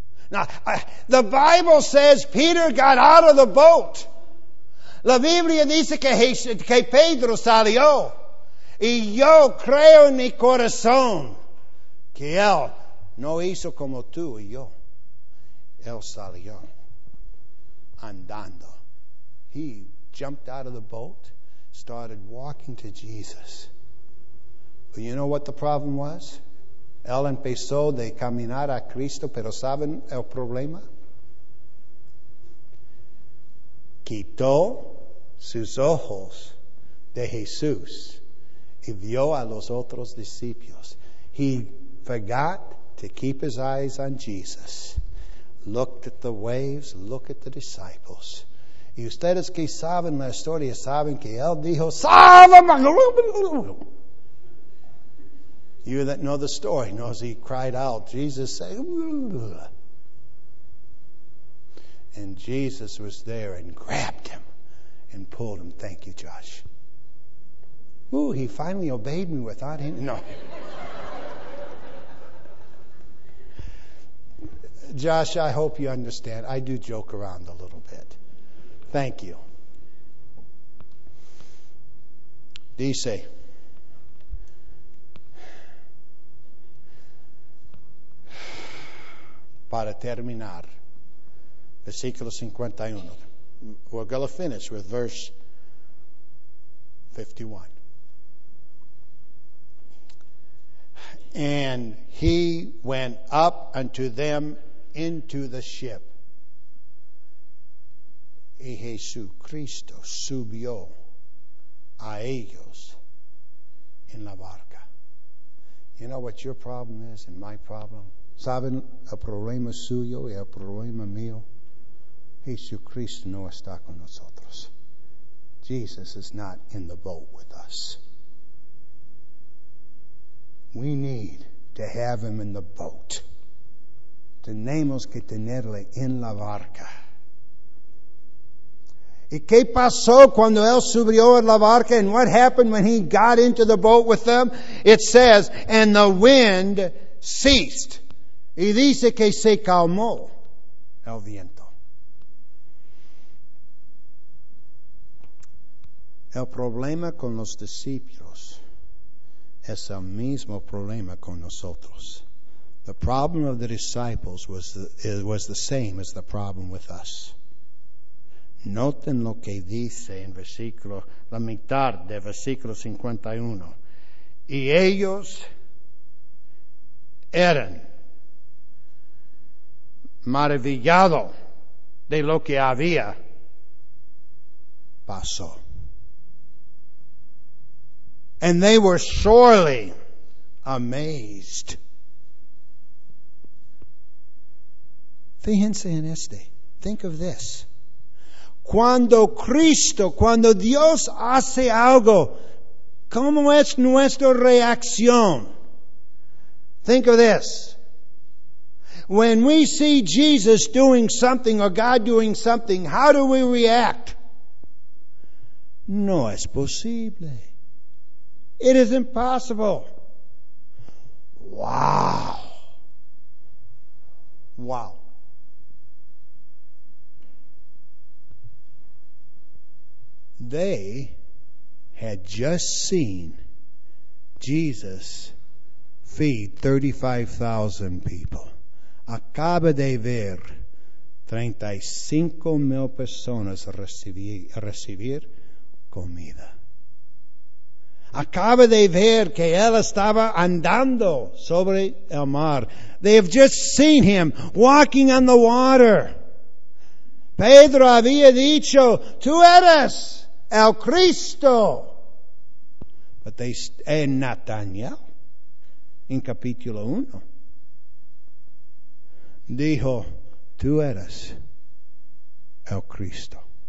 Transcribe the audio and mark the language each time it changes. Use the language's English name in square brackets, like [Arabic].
[English] Now, the Bible says Peter got out of the boat. [Spanish] La Biblia dice que Pedro salió. Y yo creo en mi corazón que él no hizo como tú y yo. Él salió andando. [English] He jumped out of the boat, started walking to Jesus. But you know what the problem was? [Spanish] Él empezó de caminar a Cristo, pero ¿saben el problema? Quitó sus ojos de Jesús y vio a los otros discípulos. [English] He forgot to keep his eyes on Jesus. Looked at the waves, looked at the disciples. [Spanish] Y ustedes que saben la historia saben que él dijo, ¡Sálvame! [English] You that know the story knows he cried out. Jesus said, "Ugh." And Jesus was there and grabbed him and pulled him. Thank you, Josh. Ooh, he finally obeyed me without him. No. Josh, I hope you understand. I do joke around a little bit. Thank you. [Spanish] Dice, para terminar, versículo 51. [English] We're going to finish with verse 51. And he went up unto them into the ship. [Spanish] Y Jesucristo subió a ellos en la barca. [English] You know what your problem is and my problem? [Spanish] ¿Saben el problema suyo y el problema mío? Jesucristo no está con nosotros. [English] Jesus is not in the boat with us. We need to have him in the boat. [Spanish] Tenemos que tenerle en la barca. ¿Y qué pasó cuando él subió en la barca? [English] And what happened when he got into the boat with them? It says, and the wind ceased. [Spanish] Y dice que se calmó el viento. El problema con los discípulos es el mismo problema con nosotros. [English] The problem of the disciples was the same as the problem with us. [Spanish] Noten lo que dice en versículo, la mitad de versículo 51. Y ellos eran maravillados de lo que había pasado. [English] And they were sorely amazed. [Spanish] Fíjense en este. [English] Think of this. [Spanish] Cuando Cristo, cuando Dios hace algo, ¿cómo es nuestra reacción? [English] Think of this. When we see Jesus doing something or God doing something, how do we react? [Spanish] No es posible. [English] It is impossible. Wow. Wow. They had just seen Jesus feed 35,000 people. [Spanish] Acaba de ver 35,000 personas recibir comida. Acaba de ver que él estaba andando sobre el mar. [English] They have just seen him walking on the water. [Spanish] Pedro había dicho, tú eres el Cristo. [English] But they [Spanish] en Nathaniel, en capítulo 1, dijo, tú eres el Cristo.